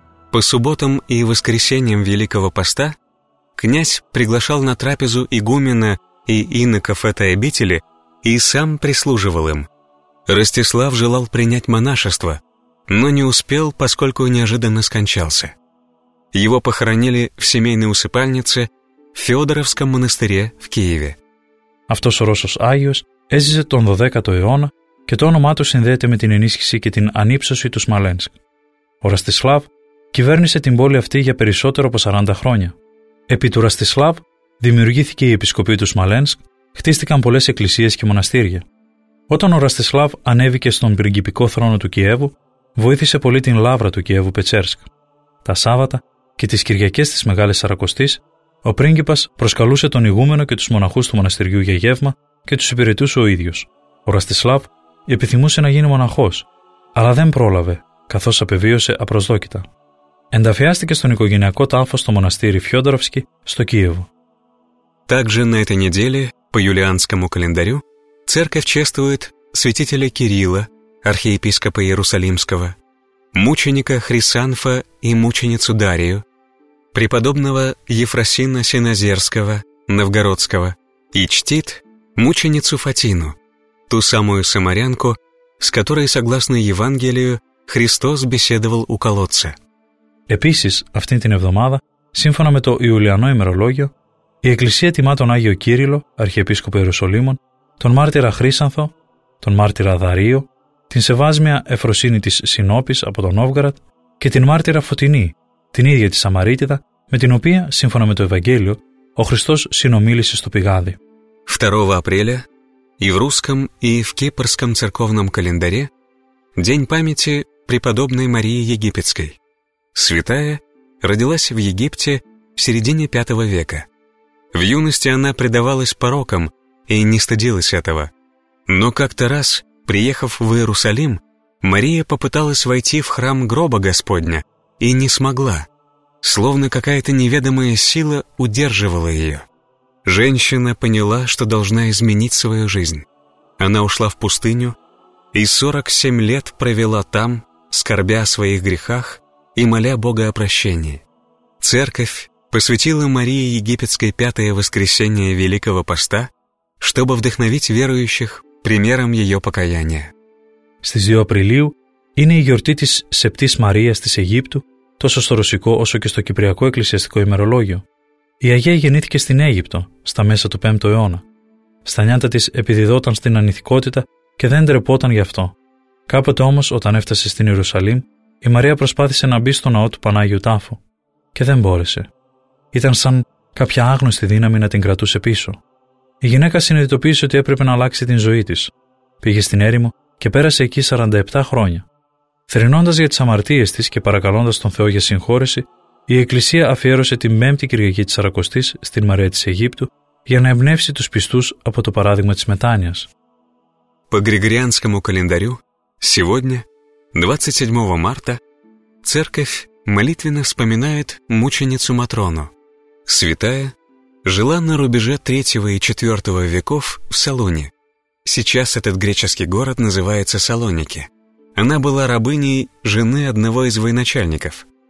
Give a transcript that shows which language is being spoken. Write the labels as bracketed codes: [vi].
[ru] По субботам и воскресеньям Великого поста князь приглашал на трапезу игумена и иноков этой обители и сам прислуживал им. Ростислав желал принять монашество, но не успел, поскольку неожиданно скончался. Его похоронили в семейной усыпальнице в Феодоровском монастыре в Киеве. [el] Αυτός ο Ρώσος Άγιος έζησε τον 12ο αιώνα και το όνομά του συνδέεται με την ενίσχυση και την ανύψωση του Σμαλένσκ. Ο Ραστισλάβ κυβέρνησε την πόλη αυτή για περισσότερο από 40 χρόνια. Επί του Ραστισλάβ δημιουργήθηκε η Επισκοπή του Σμαλένσκ, χτίστηκαν πολλές εκκλησίες και μοναστήρια. Όταν ο Ραστισλάβ ανέβηκε στον πριγκιπικό θρόνο του Κιέβου, βοήθησε πολύ την λαύρα του Κιέβου Πετσέρσκ. Τα Σάββατα και τις Κυριακές της Μεγάλης Σαρακοστής, ο πρίγκιπας προσκαλούσε τον ηγούμενο και τους μοναχούς του μοναστηριού για γεύμα και τους υπηρετούσε ο ίδιος. Ο Ραστισλάβ επιθυμούσε να γίνει μοναχός, αλλά δεν πρόλαβε, καθώς απεβίωσε απροσδόκητα. Ενταφιάστηκε στον οικογενειακό τάφο στο μοναστήρι Φιόντοροφσκι στο Κίεβο. [ru] Также на этой неделе, по юлианскому календарю, церковь чествует святителя Кирилла, архиепископа Иерусалимского, мученика Хрисанфа и мученицу Дарию, преподобного Ефросина Синозерского, новгородского, и чтит мученицу Фатину, ту самую самарянку, с которой, согласно Евангелию, Христос беседовал у колодца. [el] Επίσης, αυτήν την εβδομάδα, σύμφωνα με το Ιουλιανό ημερολόγιο, η Εκκλησία τιμά τον Άγιο Κύριλο, Αρχιεπίσκοπο Ιερουσαλήμων, τον μάρτυρα Χρύσανθο, τον μάρτυρα Δαρίο, την σεβάσμια Εφροσύνη της Σινόπης από τον Νόβγαρατ και την μάρτυρα Φωτεινή, την ίδια τη Σαμαρίτιδα, με την οποία, σύμφωνα με το Ευαγγέλιο, ο Χριστός συνομίλησε στο πηγάδι. [ru] 2 Απρίλια, и в русском, и в кипрском церковном календаре, день памяти преподобной Марии Египетской. Святая родилась в Египте в середине V века. В юности она предавалась порокам и не стыдилась этого. Но как-то раз, приехав в Иерусалим, Мария попыталась войти в храм гроба Господня и не смогла, словно какая-то неведомая сила удерживала ее. Женщина поняла, что должна изменить свою жизнь. Она ушла в пустыню и 47 лет провела там, скорбя о своих грехах и моля Бога о прощении. Церковь посвятила Марии Египетской пятое воскресение Великого Поста, чтобы вдохновить верующих примером ее покаяния. [el] Στις 2 Απριλίου είναι η γιορτή της Σεπτής Μαρίας της Αιγύπτου, τόσο στο ρωσικό όσο και στο κυπριακό εκκλησιαστικό ημερολόγιο. Η Αγία γεννήθηκε στην Αίγυπτο, στα μέσα του 5ου αιώνα. Στα νιάτα της επιδιδόταν στην ανηθικότητα και δεν ντρεπόταν γι' αυτό. Κάποτε όμως, όταν έφτασε στην Ιερουσαλήμ, η Μαρία προσπάθησε να μπει στο ναό του Πανάγιου Τάφου και δεν μπόρεσε. Ήταν σαν κάποια άγνωστη δύναμη να την κρατούσε πίσω. Η γυναίκα συνειδητοποίησε ότι έπρεπε να αλλάξει την ζωή της. Πήγε στην έρημο και πέρασε εκεί 47 χρόνια. Θρηνώντας για τις αμαρτίες της και παρακαλώντας τον Θεό για συγχώρεση, η Εκκλησία αφιέρωσε την 5η Κυριακή της Σαρακοστής στην Μαρία της Αιγύπτου για να εμπνεύσει τους πιστούς από το παράδειγμα της μετάνοιας. [ru] По Григорианскому календарю, сегодня, 27 марта, церковь молитвенно вспоминает мученицу Матрону. Святая жила на рубеже 3 и 4 веков в Салоне. Сейчас этот греческий город называется Салоники. Она была рабыней жены одного из военачальников.